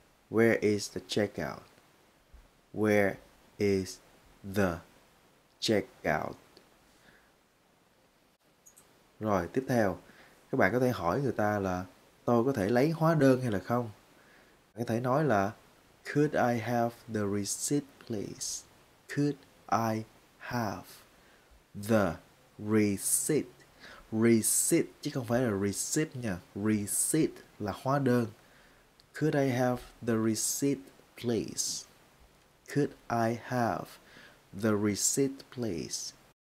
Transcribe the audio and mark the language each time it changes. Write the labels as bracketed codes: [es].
[en] Where is the checkout? Where is the checkout? [vi] Rồi, tiếp theo, các bạn có thể hỏi người ta là tôi có thể lấy hóa đơn hay là không? Bạn có thể nói là [en] Could I have the receipt please? Could I have the receipt? [vi] Receipt chứ không phải là receipt nha. Receipt là hóa đơn. [en] Could I have the receipt please? Could I have the receipt please?